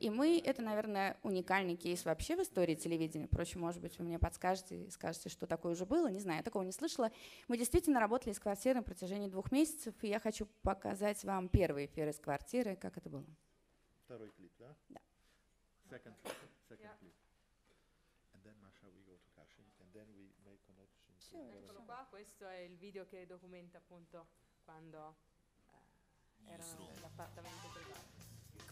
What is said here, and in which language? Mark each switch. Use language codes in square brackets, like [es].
[ru] И мы – это, наверное, уникальный кейс вообще в истории телевидения. Впрочем, может быть, вы мне подскажете и скажете, что такое уже было. Не знаю, я такого не слышала. Мы действительно работали из квартиры на протяжении 2 месяца. И я хочу показать вам первый эфир из квартиры, как это было. Второй клип, да? Да. [en] Second clip. And then, Masha, we go to Kashin, and then we make connection. [it] Eccolo qua, questo è il video che documenta appunto quando erano nell'appartamento privato.